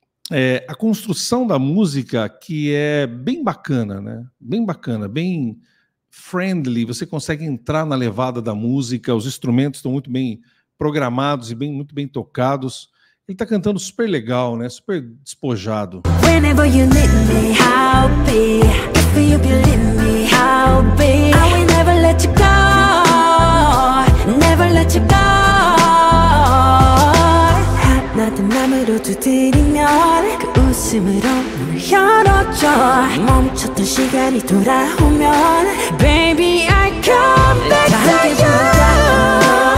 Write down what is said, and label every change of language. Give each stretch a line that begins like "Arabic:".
Portuguese: É, a construção da música que é bem bacana, né? Bem bacana, bem friendly. Você consegue entrar na levada da música, os instrumentos estão muito bem programados e bem, muito bem tocados. Ele tá cantando super legal, né? Super despojado.
English: Whenever you need me, I'll be. If you believe me, I'll be. I will never let you go. Never let you go.
Korean: Hot, 맘으로 두드리면 그 웃음으로 눈을 열어줘. 멈췄던 시간이 돌아오면
English: Baby, I come back to you.